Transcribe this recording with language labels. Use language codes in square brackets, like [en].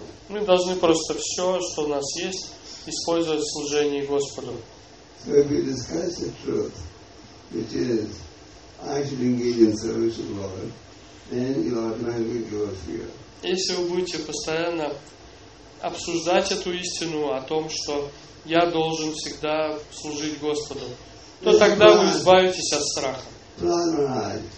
[ru] Мы должны просто все, что у нас есть, использовать в служении Господу. [en] So if you discuss the truth, which is, I should engage in service of the Lord, then you are trying to give up fear. [ru] Если вы будете постоянно обсуждать эту истину о том, что я должен всегда служить Господу, то тогда вы избавитесь от страха.